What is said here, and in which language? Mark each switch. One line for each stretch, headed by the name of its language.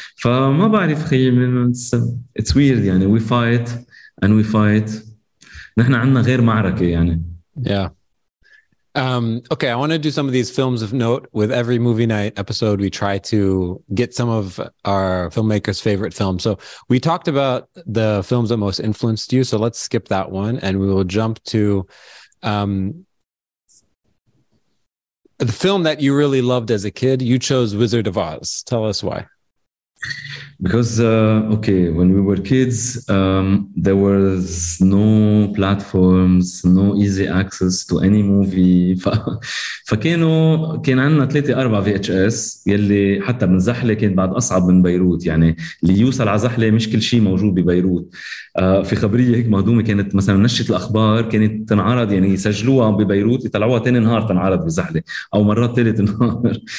Arabic: فما بعرف خي, من
English: it's weird.
Arabic: يعني
English: we fight,
Arabic: نحن عندنا غير معركة يعني.
English: Yeah. Okay, I want to do some of these films of note. With every movie night episode, we try to get some of our filmmakers' favorite films. So we talked about the films that most influenced you, so let's skip that one and we will jump to the film that you really loved as a kid. You chose Wizard of Oz. Tell us why. Because, when we were kids, there was no platforms, no easy access to any movie.
Arabic: فكانوا, كان عندنا 3-4 VHS, يلي حتى من زحلة كان بعد أصعب من بيروت. يعني اللي يوصل على زحلة مش كل شيء موجود ببيروت. في خبرية هيك مهضومة كانت مثلا نشرة الأخبار كانت تنعرض, يعني يسجلوها ببيروت يطلعوها تاني نهار تنعرض بزحلة, أو مرات ثالث نهار.